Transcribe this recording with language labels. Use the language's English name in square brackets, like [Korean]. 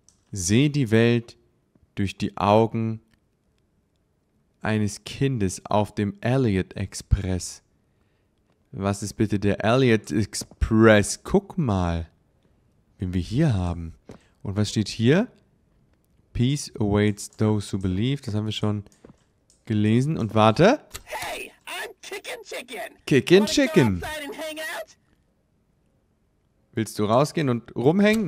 [German] Sehe die Welt durch die Augen eines Kindes auf dem Elliot Express. Was ist bitte der Elliot Express? Guck mal, wen wir hier haben. Und was steht hier? [English] Peace awaits those who believe. [German] Das haben wir schon gelesen. Und warte. [English] Hey, I'm Kickin' Chicken. Kickin' Chicken. [German] Willst du rausgehen und rumhängen?